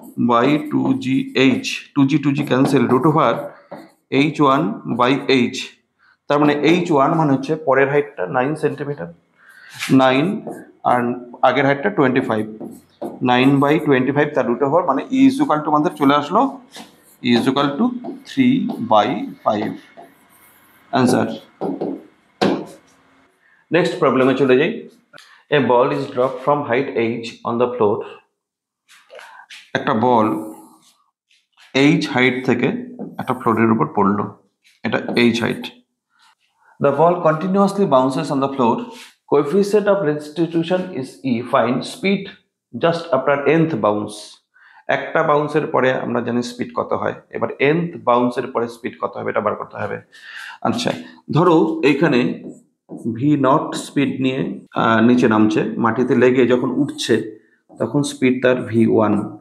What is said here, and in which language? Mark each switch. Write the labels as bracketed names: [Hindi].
[Bangla] By two G H two G cancel root over H one by H তার মানে H one মানে হচ্ছে পরের হাইটটা 9 সেন্টিমিটার 9 আর আগের হাইটটা 25 9 বাই 25 তার রুট ওভার মানে ই ইজ ইকাল টু আমাদের চলে আসলো ই is equal to 3 by 5 answer next প্রবলেমে চলে যাই [English] A ball is dropped from height h on the floor. [Bangla] একটা বল h height থেকে একটা ফ্লোরের উপর পড়লো এটা h height. [English] The ball continuously bounces on the floor. Coefficient of restitution is e. Find speed just after nth bounce. [Bangla] একটা বাউন্সের পরে আমরা জানি স্পিড কত হয় এবার nth বাউন্সের পরে স্পিড কত হবে এটা বার করতে হবে আচ্ছা ধরো এখানে ভি নট স্পিড নিয়ে নিচে নামছে মাটিতে লেগে যখন উঠছে তখন স্পিড তার ভি ওয়ান